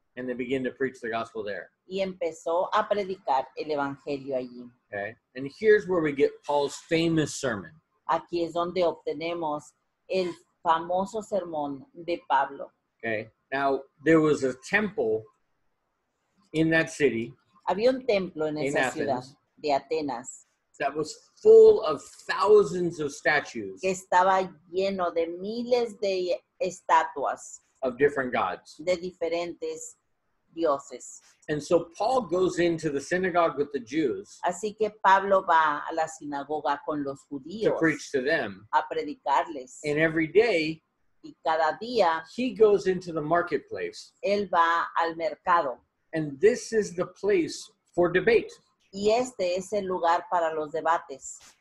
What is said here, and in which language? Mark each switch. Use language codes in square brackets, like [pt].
[en] And they begin to preach the gospel there. [es] Y empezó a predicar el evangelio allí. [en] Okay. And here's where we get Paul's famous sermon. [es] Aquí es donde obtenemos el famoso sermón de Pablo. [en] Okay. Now, there was a temple in that city. [es] Había un templo en esa ciudad de Atenas. [en] That was full of thousands of statues. [es] Que estaba lleno de miles de estatuas. [en] Of different gods. [es] De diferentes dioses. [en] And so Paul goes into the synagogue with the Jews. [es] Así que Pablo va a la sinagoga con los judíos. [en] To preach to them. [es] A predicarles. [en] And every day. [es] Y cada día. [en] He goes into the marketplace. [es] Él va al mercado. [en] And this is the place for debate. [es] Y este es el lugar para los debates.